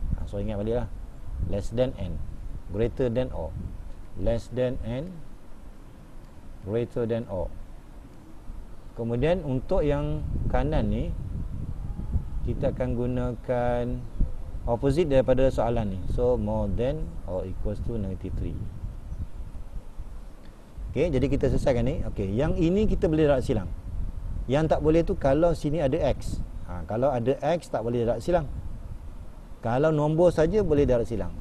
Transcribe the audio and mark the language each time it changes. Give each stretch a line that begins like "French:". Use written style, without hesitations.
Malay: So ingat balik lah,
English: less than n, greater than or, less than n, greater than or.
Malay: Kemudian untuk yang kanan ni, kita akan gunakan opposite daripada soalan ni.
English: So more than or equals to negative 3.
Malay: Okay, jadi kita selesaikan ni. Okay, yang ini kita boleh darab silang. Yang tak boleh tu kalau sini ada x. Ha, kalau ada x tak boleh darab silang. Kalau nombor saja boleh darab silang.